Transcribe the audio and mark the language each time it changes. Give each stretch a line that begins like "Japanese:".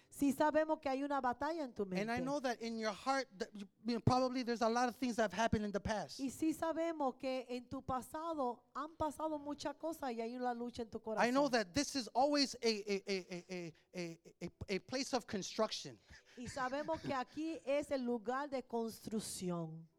Spanish: Sí sabemos que hay una batalla en tu mente.
English: And I know that in your heart, that you, you know, probably there's a lot of things that have happened in the past.
Spanish: Y sí sabemos que en tu pasado han pasado muchas cosas y hay una lucha en tu corazón.
English: I know that this is always a place of construction.
Spanish: Y sabemos que aquí es el lugar de construcción.